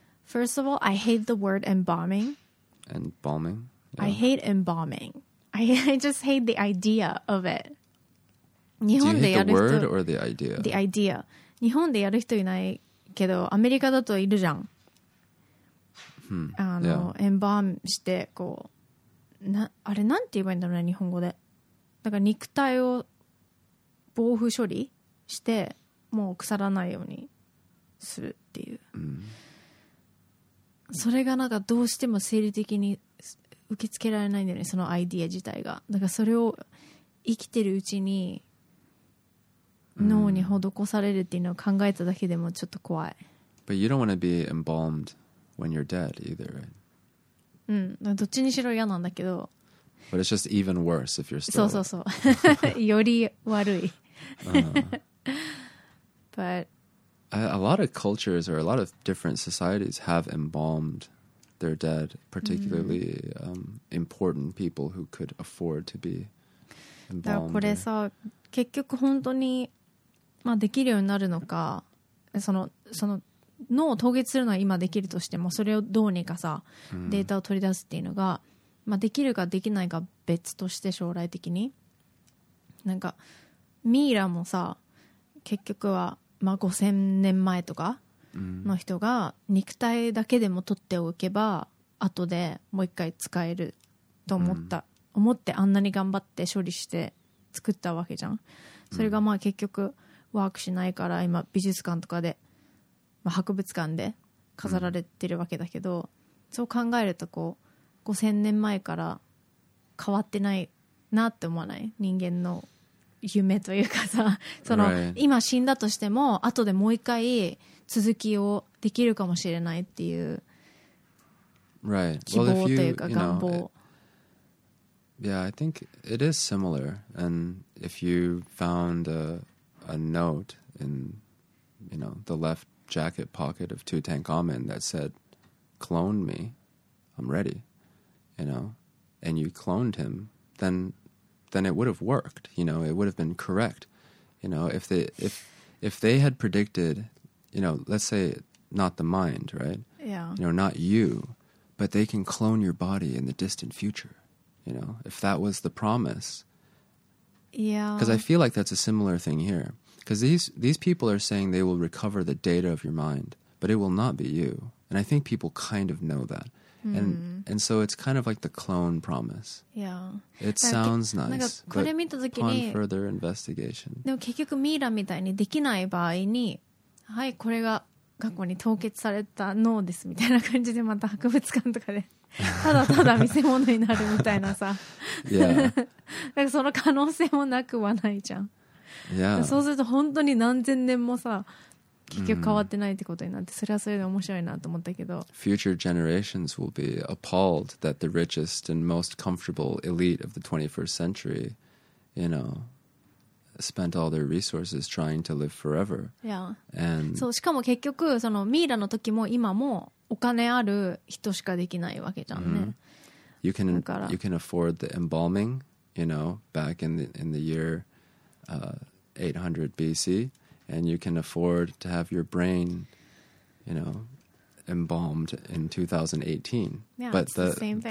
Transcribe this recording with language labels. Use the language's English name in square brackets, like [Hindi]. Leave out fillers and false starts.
[English] First of all, I hate the word embalming. Embalming? Yeah. I hate embalming. I just hate the idea of it. Do you hate the word or the idea? The idea. [Japanese] 日本でやる人いないけど、アメリカだといるじゃん。 Embalm してこう、あれなんて言えばいいんだろうね、日本語で。だから肉体を防腐処理してもう腐らないようにするっていう、うん、それがなんかどうしても生理的に受け付けられないんだよね、そのアイディア自体が。だからそれを生きてるうちに脳に施されるっていうのを考えただけでもちょっと怖い。 [English] But you don't want to be embalmed when you're dead either, right? [Japanese] うん、どっちにしろ嫌なんだけど。 [English] But it's just even worse if you're still. [Japanese] そうそうそう。より悪い。 [English] But a lot of cultures or a lot of different societies have embalmed their dead, particularly、mm. Important people who could afford to be embalmed. [Japanese] だからこれさ、結局本当にまあできるようになるのか、その脳を凍結するのは今できるとしても、それをどうにかさ、データを取り出すっていうのが。まあ、できるかできないか別として、将来的になんかミイラもさ、結局はまあ5000年前とかの人が肉体だけでも取っておけば後でもう一回使えると思った、うん、思ってあんなに頑張って処理して作ったわけじゃん。それがまあ結局ワークしないから今美術館とかで、まあ、博物館で飾られてるわけだけど、うん、そう考えるとこう5000年前から変わってないなって思わない？人間の夢というかさ、その、 [English] right. [Japanese] 今死んだとしても後でもう一回続きをできるかもしれないっていう希望というか願望。 [English] Right. Well, if you, you know, it, yeah, I think it is similar. And if you found a note in, you know, the left jacket pocket of Tutankhamun that said, "Clone me." I'm ready, you know, and you cloned him, then it would have worked, you know, it would have been correct, you know, if they had predicted, you know, let's say not the mind, right? Yeah. You know, not you, but they can clone your body in the distant future, you know, if that was the promise. Yeah. Because I feel like that's a similar thing here. Because these people are saying they will recover the data of your mind, but it will not be you. And I think people kind of know that. Mm. And so it's kind of like the clone promise. Yeah. It sounds nice, but upon further investigation. [Japanese] でも結局ミイラみたいにできない場合に、はい、これが過去に凍結された脳ですみたいな感じでまた博物館とかでただただ見せ物になるみたいなさ。 [English] Yeah. [Japanese] なんかその可能性もなくはないじゃん。 [English] Yeah. [Japanese] そうすると本当に何千年もさ結局変わってないってことになって、mm. それはそれで面白いなと思ったけど [English] Future generations will be appalled that the richest and most comfortable elite of the 21st century, you know, spent all their resources trying to live forever. Yeah. And [Japanese] そう、しかも結局そのミイラの時も今もお金ある人しかできないわけじゃんね、 mm. [English] You can afford the embalming, you know, back in the year 800 BC, and you can afford to have your brain, you know, embalmed in 2018. Yeah, but the same thing.